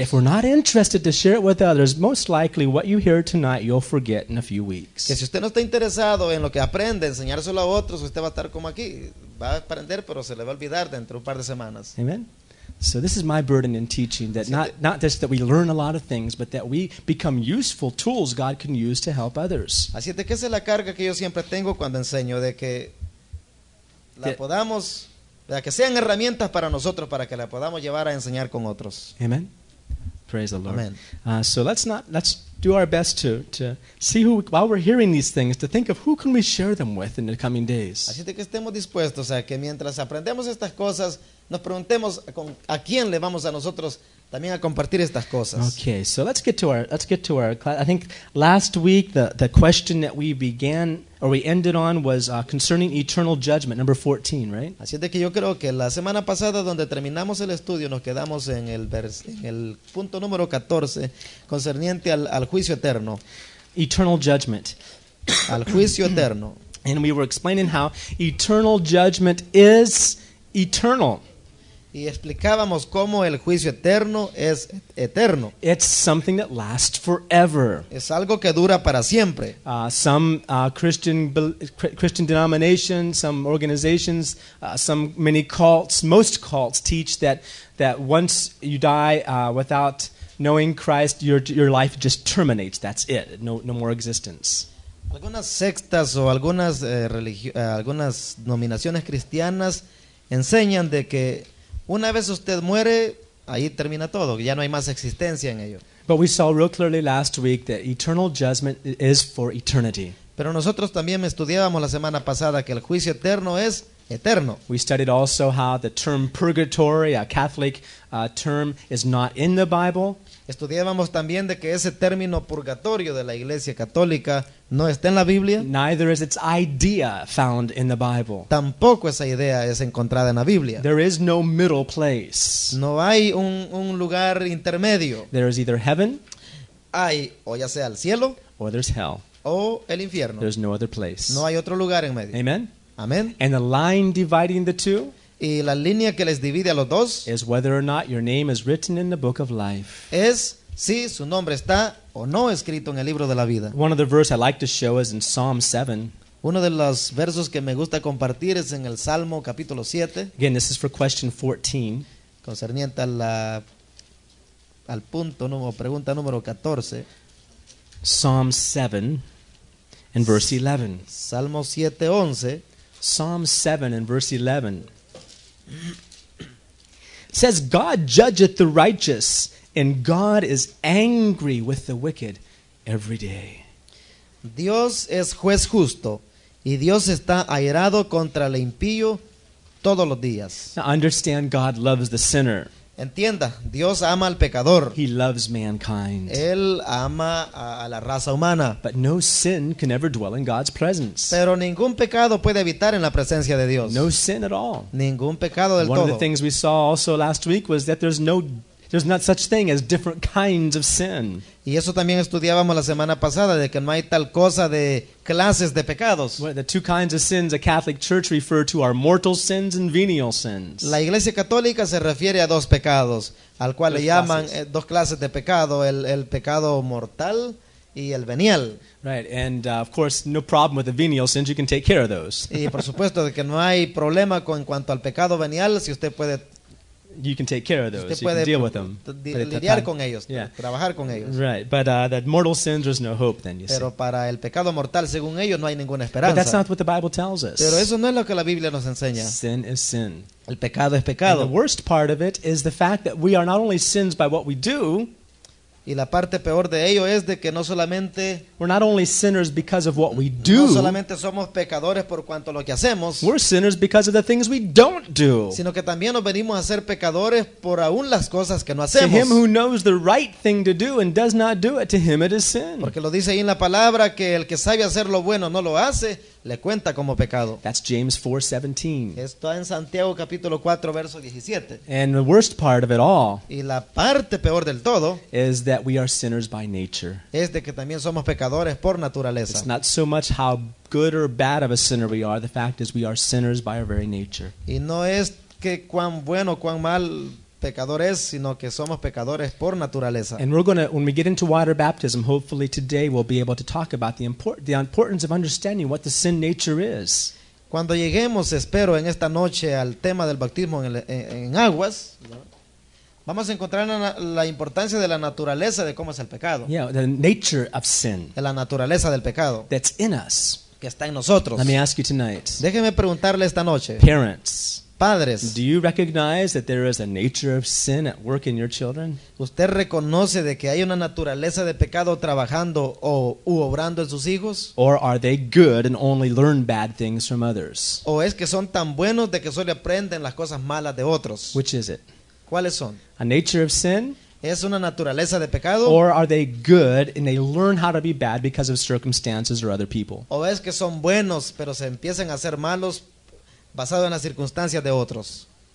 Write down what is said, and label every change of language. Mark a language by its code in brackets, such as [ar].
[en] If we're not interested to share it with others, most likely what you hear tonight you'll forget in a few weeks. [es] Que si usted no está interesado en lo que aprende, enseñárselo a otros, usted va a estar como aquí, va a aprender, pero se le va a olvidar dentro de un par de semanas. [en] Amen. So this is my burden in teaching, that not just that we learn a lot of things, but that we become useful tools God can use to help others. [es] Así es de que esa es la carga que yo siempre tengo cuando enseño, de que la podamos, de que sean herramientas para nosotros, para que la podamos llevar a enseñar con otros. [en] Amen. Praise the Lord. Amen. So let's do our best to see who, while we're hearing these things, to think of who can we share them with in the coming days. [es] Así es de que estemos dispuestos a que mientras aprendemos estas cosas, nos preguntemos a quién le vamos a nosotros también a compartir estas cosas. [en] Okay, so let's get to our class. I think last week the question that we began or we ended on was concerning eternal judgment, number 14, right? [es] Así es de que yo creo que la semana pasada donde terminamos el estudio nos quedamos en el punto número 14 concerniente al juicio eterno. [en] Eternal judgment. [es] Al juicio eterno. [en] And we were explaining how eternal judgment is eternal. [es] Y explicábamos cómo el juicio eterno es eterno. [en] It's something that lasts forever. [es] Es algo que dura para siempre. [en] Christian denominations, some organizations, many cults, most cults teach that once you die without knowing Christ, your life just terminates. That's it. No more existence. [es] Algunas sectas o algunas algunas denominaciones cristianas enseñan de que una vez usted muere, ahí termina todo, ya no hay más existencia en ello. [en] But we saw real clearly last week that eternal judgment is for eternity. [es] Pero nosotros también estudiábamos la semana pasada que el juicio eterno es eterno. [en] We studied also how the term purgatory, a Catholic term, is not in the Bible. [es] Estudiábamos también de que ese término purgatorio de la Iglesia Católica no está en la Biblia. [en] Neither is its idea found in the Bible. [es] Tampoco esa idea es encontrada en la Biblia. [en] There is no middle place. [es] No hay un lugar intermedio. [en] There is either heaven, [es] hay o ya sea el cielo, [en] or there's hell, [es] o el infierno. [en] There's no other place. [es] No hay otro lugar en medio. [en] Amen. Amen. And the line dividing the two, [es] y la línea que les divide a los dos, [en] is whether or not your name is written in the book of life. [es] Es si su nombre está o no escrito en el libro de la vida. [en] One of the verses I like to show is in Psalm 7. [es] Uno de los versos que me gusta compartir es en el Salmo capítulo 7. [en] Again, this is for question 14. [es] Concerniente a la al punto número pregunta número 14. [en] Psalm 7 in verse 11. [es] Salmo 7:11. [en] Psalm 7 in verse 11. It says, God judgeth the righteous, and God is angry with the wicked every day. [es] Dios es juez justo, y Dios está airado contra el impío todos los días. [en] Now understand, God loves the sinner. [es] Entienda, Dios ama al pecador. [en] He loves mankind. [es] Él ama a la raza humana. [en] But no sin can ever dwell in God's presence. [es] Pero ningún pecado puede habitar en la presencia de Dios. [en] No sin at all. [es] Ningún pecado del todo. [en] One of the things we saw also last week was that there's not such thing as different kinds of sin. [es] Y eso también estudiábamos la semana pasada, de que no hay tal cosa de clases de pecados. [en] Well, the two kinds of sins the Catholic Church refer to are mortal sins and venial sins. [es] La Iglesia Católica se refiere a dos pecados, al cual dos le llaman clases. Dos clases de pecado, el pecado mortal y el venial. [en] Right, and of course, no problem with the venial sins, you can take care of those. [es] Y por supuesto de que no hay problema con cuanto al pecado venial, si usted puede. [en] You can take care of those. You can deal with them. [es] Lidiar con ellos, yeah. Trabajar con ellos. [en] Right, but the mortal sins, there's no hope then, you [es] pero [en] see. [es] Pero para el pecado mortal, según ellos, no hay ninguna esperanza. [en] But that's not what the Bible tells us. [es] Pero eso no es lo que la Biblia nos enseña. [en] Sin is sin. [es] El pecado es pecado. [en] And the worst part of it is the fact that we are not only sins by what we do. [es] Y la parte peor de ello es de que no solamente [en] we're not only sinners because of what we do. [es] No solamente somos pecadores por cuanto a lo que hacemos. [en] We're sinners because of the things we don't do. [es] Sino que también nos venimos a ser pecadores por aún las cosas que no hacemos. [en] To him who knows the right thing to do and does not do it, to him it is sin. [es] Porque lo dice ahí en la palabra que el que sabe hacer lo bueno no lo hace, le cuenta como pecado. [en] That's James 4:17. [es] Está en Santiago capítulo 4 verso 17. [en] And the worst part of it all, [es] y la parte peor del todo, [en] is that we are sinners by nature. [es] Es de que también somos pecadores por naturaleza. [en] It's not so much how good or bad of a sinner we are, the fact is we are sinners by our very nature. [es] Y no es que cuán bueno o cuán mal pecadores, sino que somos pecadores por naturaleza. [en] And we're going to, when we get into water baptism, hopefully today we'll be able to talk about the importance of understanding what the sin nature is. [es] Cuando lleguemos, espero, en esta noche al tema del bautismo en aguas, vamos a encontrar la importancia de la naturaleza de cómo es el pecado. [en] Yeah, the nature of sin. [es] De la naturaleza del pecado. [en] That's in us. [es] Que está en nosotros. [en] Let me ask you tonight. [es] Déjeme preguntarle esta noche. [en] Parents. [es] Padres, [en] do you recognize that there is a nature of sin at work in your children? [es] ¿Usted reconoce de que hay una naturaleza de pecado trabajando u obrando en sus hijos? [en] Or are they good and only learn bad things from others? [es] ¿O es que son tan buenos de que solo aprenden las cosas malas de otros? [en] Which is it? [es] ¿Cuáles son? [en] A nature of sin? [es] ¿Es una naturaleza de pecado? [en] Or are they good and they learn how to be bad because of circumstances or other people? [es] ¿O es que son buenos pero se empiezan a hacer malos basado en las circunstancias de otros?